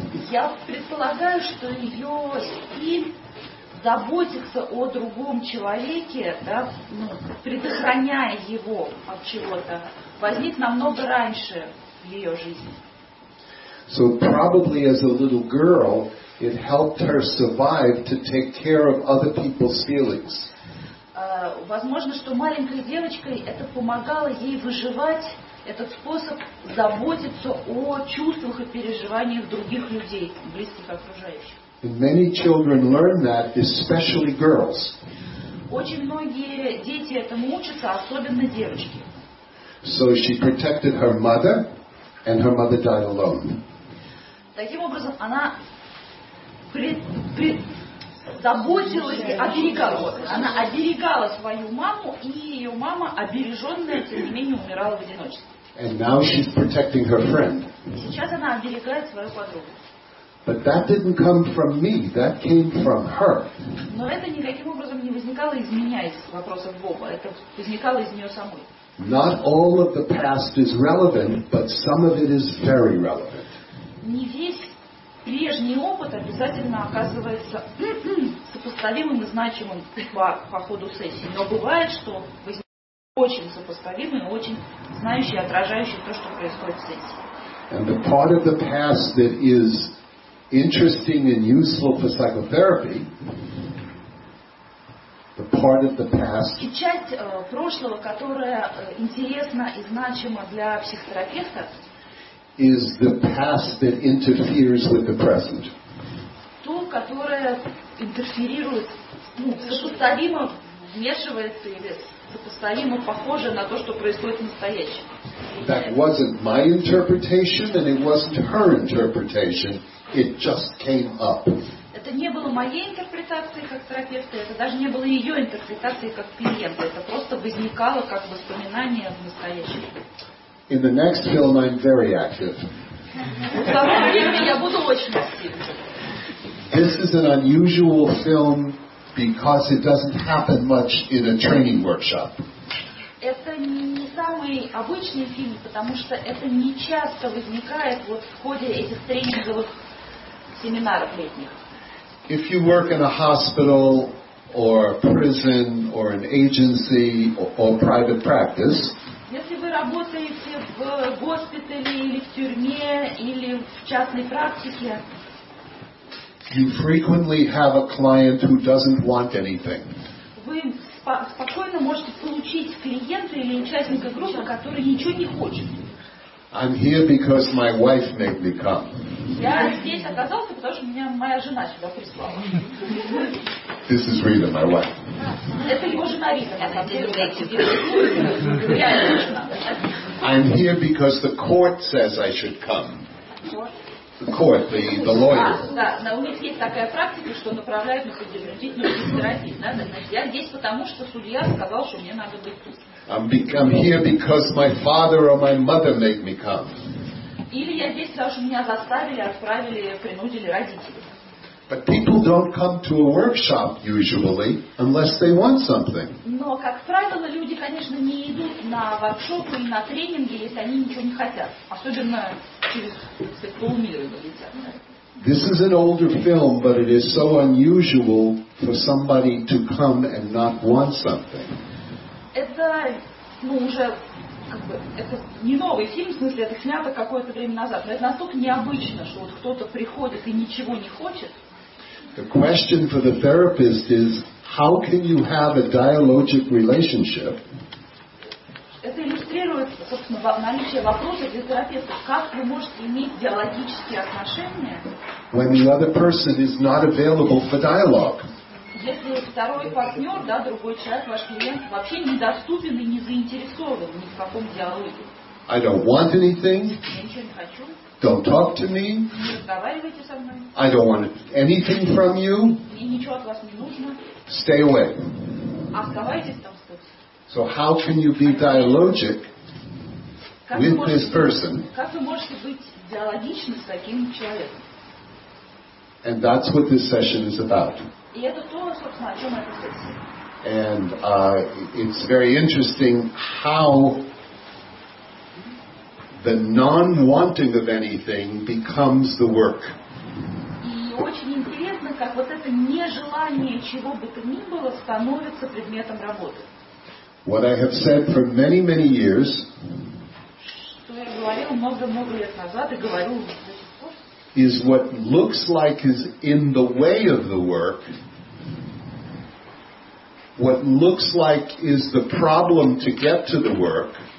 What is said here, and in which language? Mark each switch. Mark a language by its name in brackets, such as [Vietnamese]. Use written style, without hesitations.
[Russian] Я предполагаю, что ее стиль заботиться о другом человеке, да, ну, предохраняя его от чего-то, возник намного раньше в ее жизни. [English] So probably as a little girl, it helped her survive to take care of other people's feelings. [Russian] Возможно, что маленькой девочкой это помогало ей выживать, этот способ заботиться о чувствах и переживаниях других людей, близких окружающих. [English] And many children learn that, especially girls. [Russian] Очень многие дети этому учатся, особенно девочки. [English] So she protected her mother, and her mother died alone. [Russian] Таким образом, она заботилась, оберегала. Она оберегала свою маму, и ее мама, обереженная, тем не менее, умирала в одиночестве. [English] And now she's protecting her friend. [Russian] Сейчас она оберегает свою подругу. [English] But that didn't come from me, that came from her. [Russian] Но это никаким образом не возникало из меня, из вопросов Боба. Это возникало из нее самой. [English] Not all of the past is relevant, but some of it is very relevant. [Russian] Не весь прежний опыт обязательно оказывается сопоставимым и значимым по ходу сессии. Но бывает, что возникает очень сопоставимый, очень знающий, отражающий то, что происходит в сессии. [English] And the part of the past that is interesting and useful for psychotherapy, the part of the past, [Russian] и часть прошлого, которая интересна и значима для психотерапевта, [English] is the past that interferes with the present. [Russian] То, которое интерферирует, сопоставимо вмешивается или сопоставимо похоже на то, что происходит в настоящем. [English] That wasn't my interpretation, and it wasn't her interpretation. It just came up. [Russian] Это не было моей интерпретацией как терапевта, это даже не было ее интерпретацией как клиента. Это просто возникало как воспоминание в настоящем. [English] In the next film, I'm very active. [Russian] В втором фильме я буду очень активна. [English] This is an unusual film because it doesn't happen much in a training workshop. [Russian] Это не самый обычный фильм, потому что это не часто возникает вот в ходе этих тренинговых семинаров летних. [English] If you work in a hospital or a prison or an agency or private practice, [Russian] если вы работаете в госпитале или в тюрьме или в частной практике, [English] you frequently have a client who doesn't want anything. [Russian] Вы спокойно можете получить клиента или участника группы, который ничего не хочет. [English] I'm here because my wife made me come. [Russian] Я здесь оказался, потому что меня моя жена сюда прислала. [English] This is Rita, my wife. [Russian] Это его жена Рита, на самом деле. Реально жена. [English] I'm here because the court says I should come. The court, the lawyer. [Russian] Да, у них есть такая практика, что направляют на предупредительную экспертизу. Я здесь потому, что судья сказал, что мне надо быть тут. [English] I'm here because my father or my mother made me come. [Russian] Или я здесь, потому что меня заставили, отправили, принудили родители. [English] But people don't come to a workshop usually unless they want something. [Russian] Но, как правило, люди, конечно, не идут на воркшоп или на тренинги, если они ничего не хотят. Особенно через сексуальный мир. [English] This is an older film, but it is so unusual for somebody to come and not want something. [Russian] Это, уже как бы, это не новый фильм, в смысле, это снято какое-то время назад. Но это настолько необычно, что вот кто-то приходит и ничего не хочет. [English] The question for the therapist is, how can you have a dialogic relationship? [Russian] Это иллюстрирует, собственно, наличие вопроса для терапевта. Как вы можете иметь диалогические отношения? [English] When the other person is not available for dialogue. [Russian] Если второй партнер, да, другой человек, ваш клиент, вообще недоступен и не заинтересован ни в каком диалоге. [English] I don't want anything. [Russian] Я ничего не хочу. [English] Don't talk to me. [Russian] Не разговаривайте со мной. [English] I don't want anything from you. [Russian] Мне ничего от вас не нужно. [English] Стой away. [Russian] Оставайтесь там. [English] So how can you be dialogic with this person? [Russian] Как вы можете быть диалогичны с таким человеком? [English] And that's what this session is about. [Russian] И это то, собственно, о чем эта сессия. [English] And it's very interesting how the non-wanting of anything becomes the work. [Russian] И очень интересно, как вот это нежелание чего бы то ни было становится предметом работы. [English] What I have said for many, many years, [Russian] что я говорил много-много лет назад и говорю до сих пор, [English] is what looks like is in the way of the work, what looks like is the problem to get to the work,